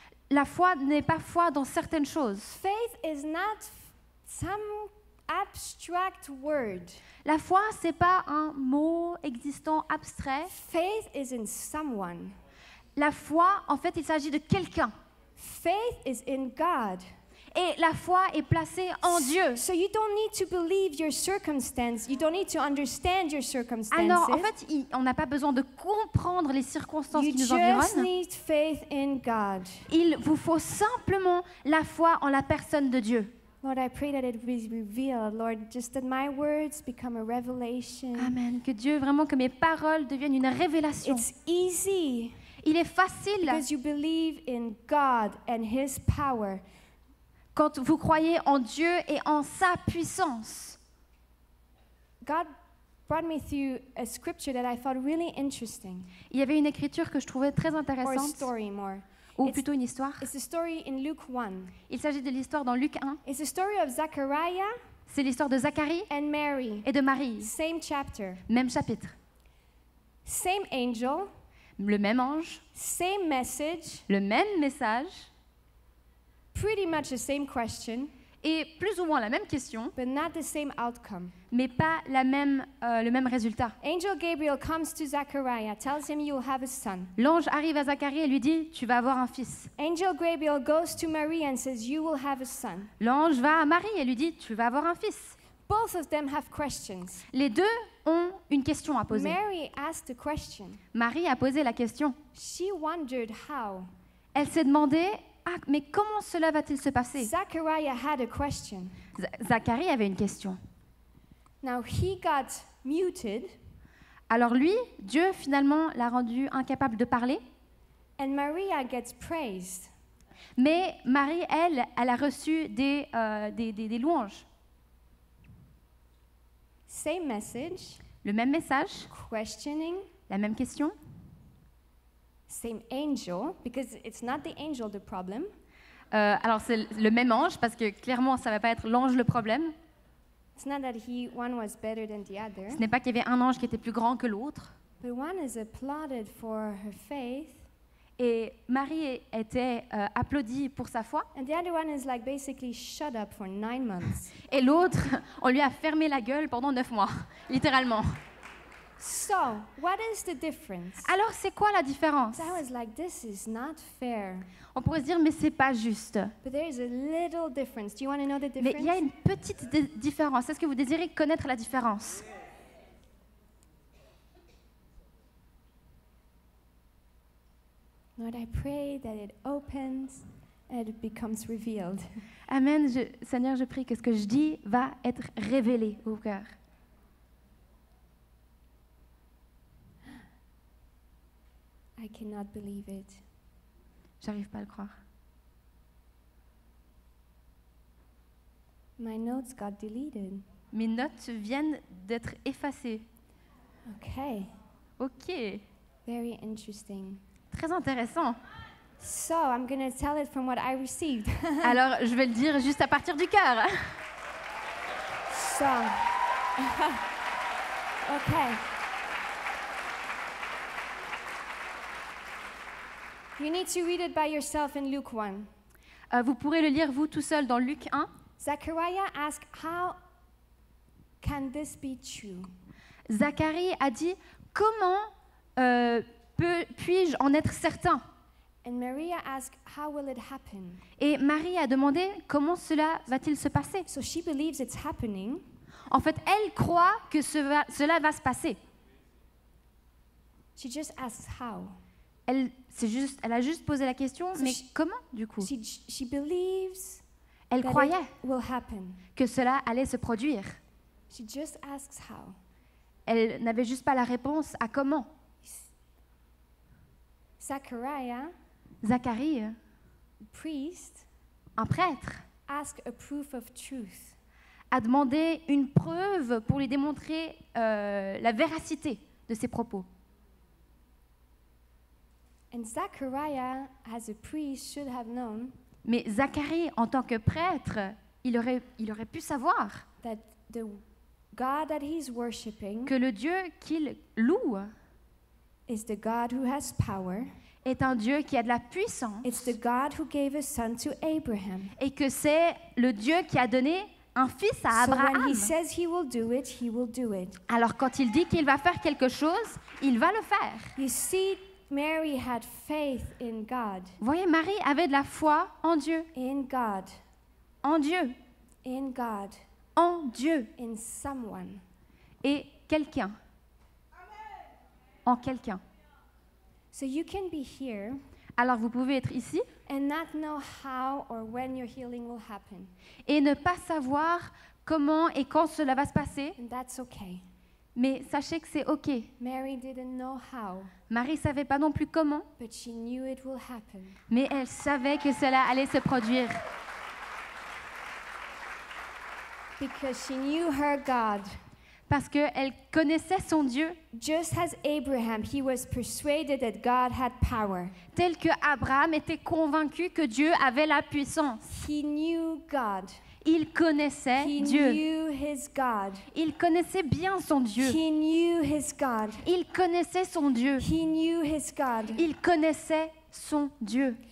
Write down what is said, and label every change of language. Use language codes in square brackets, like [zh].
[fr] La foi n'est pas foi dans certaines choses. [en] Faith is not some abstract word. [fr] La foi, c'est pas un mot existant abstrait. [en] Faith is in someone. [fr] La foi, en fait, il s'agit de quelqu'un. [en] Faith is in God. [fr] Et la foi est placée en Dieu. [en] So you don't need to believe your circumstances. You don't need to understand your circumstances. [fr] Ah non, en fait, on n'a pas besoin de comprendre les circonstances qui nous environnent. [en] You just need faith in God. [fr] Il vous faut simplement la foi en la personne de Dieu. [en] Lord, I pray that it be revealed. Lord, just that my words become a revelation. Amen. [fr] Que Dieu vraiment, que mes paroles deviennent une révélation. [en] It's easy. [fr] Il est facile. [en] Because you believe in God and His power. [fr] Quand vous croyez en Dieu et en sa puissance. [en] God brought me through a scripture that I thought really interesting. [fr] Il y avait une écriture que je trouvais très intéressante. [en] Or a story more. [fr] Ou plutôt une histoire. [en] It's a story in Luke 1. [fr] Il s'agit de l'histoire dans Luc 1. [en] It's a story of Zachariah. [fr] C'est l'histoire de Zacharie. [en] And Mary. [fr] Et de Marie. [en] Same chapter. [fr] Même chapitre. [en] Same angel. [fr] Le même ange. [en] Same message. [fr] Le même message. [en] Pretty much the same question. [fr] Et plus ou moins la même question. [en] But not the same outcome. [fr] Mais pas la même, le même résultat. [en] Angel Gabriel comes to Zachariah, tells him you'll have a son. [fr] L'ange arrive à Zacharie et lui dit, tu vas avoir un fils. [en] Angel Gabriel goes to Marie and says you will have a son. [fr] L'ange va à Marie et lui dit, tu vas avoir un fils. [en] Both of them have questions. [fr] Les deux ont une question à poser. [en] Mary asked a question. [fr] Marie a posé la question. [en] She wondered how. [fr] Elle s'est demandé, ah, mais comment cela va-t-il se passer? [en] Zachariah had a question. [fr] Zacharie avait une question. [en] Now he got muted. [fr] Alors lui, Dieu finalement l'a rendu incapable de parler. [en] And Maria gets praised. [fr] Mais Marie, elle, elle a reçu des louanges. [en] Same message. [fr] Le même message. [en] Questioning. [fr] La même question. [en] Same angel, because it's not the angel the problem. [fr] Alors c'est le même ange, parce que clairement ça va pas être l'ange le problème. [en] It's not that he one was better than the other. [fr] Ce n'est pas qu'il y avait un ange qui était plus grand que l'autre. [en] But one is applauded for her faith. [fr] Et Marie était applaudie pour sa foi. [en] And the other one is like basically shut up for 9 months. [fr] Et l'autre, on lui a fermé la gueule pendant 9 mois, littéralement. [en] So, what is the difference? [fr] Alors, c'est quoi la différence? [en] I was like, this is not fair. [fr] On pourrait se dire, mais c'est pas juste. [en] But there is a little difference. Do you want to know the difference? [fr] Mais il y a une petite différence. Est-ce que vous désirez connaître la différence? [en] Lord, I pray that it opens and it becomes revealed. Amen. [fr] Seigneur, je prie que ce que je dis va être révélé au cœur. [en] I cannot believe it. [fr] J'arrive pas à le croire. [en] My notes got deleted. [fr] Mes notes viennent d'être effacées. [en] Okay. Okay. Very interesting. [fr] Très intéressant. [en] So, I'm going to tell it from what I received. [fr] Alors, je vais le dire juste à partir du cœur. [en] So. Okay. You need to read it by yourself in Luke 1. [fr] Vous pourrez le lire vous tout seul dans Luc 1. [en] Zachariah asked, "How can this be true?" [fr] Zacharie a dit, comment puis-je en être certain? [en] And Maria asked, "How will it happen?" [fr] Et Marie a demandé, comment cela va-t-il se passer? [en] So she believes it's happening. [fr] En fait, elle croit que cela va se passer. [en] She just asks how. [fr] Elle a juste posé la question, mais comment du coup? [en] She believes [fr] elle croyait [en] that it will happen. [fr] Que cela allait se produire. [en] She just asks how. [fr] Elle n'avait juste pas la réponse à comment. Zacharie, [en] priest, [fr] un prêtre, [en] ask a proof of truth. [fr] A demandé une preuve pour lui démontrer la véracité de ses propos. [en] And Zachariah, as a priest, should have known. [fr] Mais Zacharie, en tant que prêtre, il aurait pu savoir [en] that the God that he's worshiping [fr] que le Dieu qu'il loue [en] is the God who has power, [fr] est un Dieu qui a de la puissance, [en] it's the God who gave a son to Abraham, [fr] et que c'est le Dieu qui a donné un fils à Abraham. [en] So when he says he will do it, he will do it. [fr] Alors quand il dit qu'il va faire quelque chose, il va le faire. [en] You see, Mary had faith in God. [fr] Vous voyez, Marie avait de la foi en Dieu. [en] In God. [fr] En Dieu. [en] In God. [fr] En Dieu. [en] In someone. [fr] Et quelqu'un. [en] Amen. [fr] En quelqu'un. [en] So you can be here. [fr] Alors vous pouvez être ici. [en] And not know how or when your healing will happen. [fr] Et ne pas savoir comment et quand cela va se passer. [en] And that's okay. [fr] Mais sachez que c'est OK. [en] Mary didn't know how. [fr] Marie ne savait pas non plus comment. [en] But she knew it will happen. [fr] Mais elle savait que cela allait se produire. [en] Because she knew her God. [fr] Parce qu'elle connaissait son Dieu. [en] Just as Abraham, he was persuaded that God had power. [fr] Tel que Abraham était convaincu que Dieu avait la puissance. [en] He knew God. [fr] Il connaissait [en] he [fr] Dieu. [en] Knew his God. [fr] Il connaissait bien son Dieu. [en] He knew his God. [fr] Il connaissait son Dieu. [en] He knew his God. [fr] Il connaissait son Dieu.